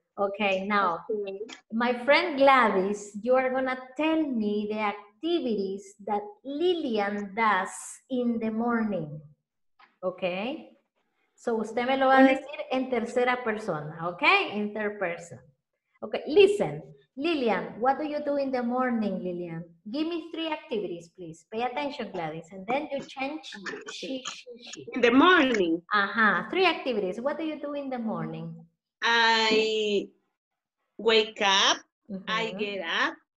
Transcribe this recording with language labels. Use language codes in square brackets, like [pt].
[en] Okay, now, my friend Gladys, you are gonna tell me the activities that Lillian does in the morning, okay? [es] So usted me lo va a decir en tercera persona, okay? [en] In third person. Okay, listen. Lillian, what do you do in the morning, Lillian? Give me 3 activities, please. Pay attention, Gladys. And then you change. In the morning? Uh-huh. 3 activities. What do you do in the morning? I wake up. Mm-hmm. I get up.